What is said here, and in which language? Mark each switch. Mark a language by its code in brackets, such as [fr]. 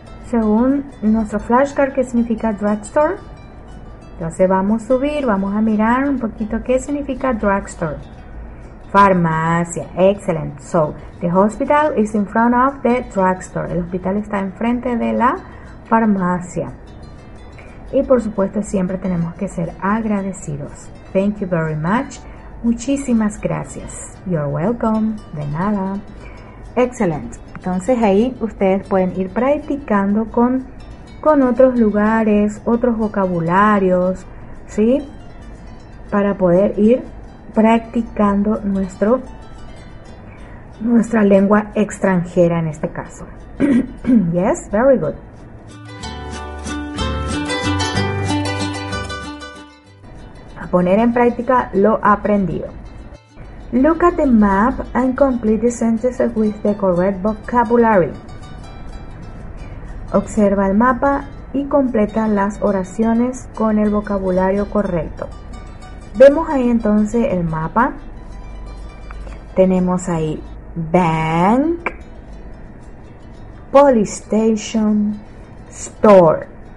[es] Según nuestro flashcard, ¿qué significa drugstore? Entonces vamos a subir, vamos a mirar un poquito qué significa drugstore. Farmacia, [en] excellent. So, the hospital is in front of the drugstore. [es] El hospital está enfrente de la farmacia. Y por supuesto siempre tenemos que ser agradecidos. [en] Thank you very much. [es] Muchísimas gracias. [en] You're welcome. [es] De nada. [en] Excellent. [es] Entonces ahí ustedes pueden ir practicando con otros lugares, otros vocabularios, ¿sí? Para poder ir practicando nuestra lengua extranjera en este caso. [en] Yes, very good. [es] A poner en práctica lo aprendido. [en] Look at the map and complete the sentences with the correct vocabulary. [es] Observa el mapa y completa las oraciones con el vocabulario correcto. Vemos ahí entonces el mapa. Tenemos ahí bank, police station, store.